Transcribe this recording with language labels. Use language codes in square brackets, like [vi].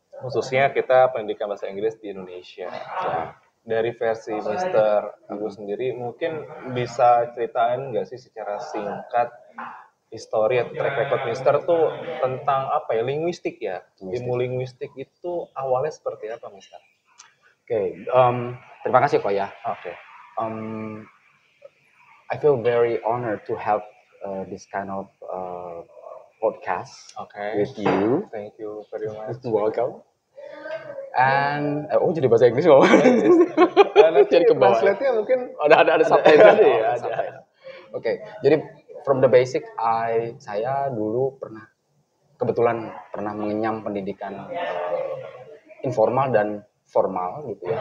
[id] Khususnya kita pendidikan bahasa Inggris di Indonesia. So, dari versi Mister Agus sendiri, mungkin bisa ceritain nggak sih secara singkat histori atau [en] track record [id] Mister tuh tentang apa ya, linguistik ya? Ilmu linguistik itu awalnya seperti apa, Mister? Oke, okay, terima kasih kok ya. Oke. Okay. [en] I feel very honored to have this kind of podcast okay. with you. Thank you very much. Welcome. [id] And oh jadi bahasa Inggris kok. Jadi kebalasnya mungkin ada subtitle ya. Oke, okay. Jadi [en] from the basic, [id] saya dulu pernah kebetulan pernah mengenyam pendidikan informal dan formal gitu ya,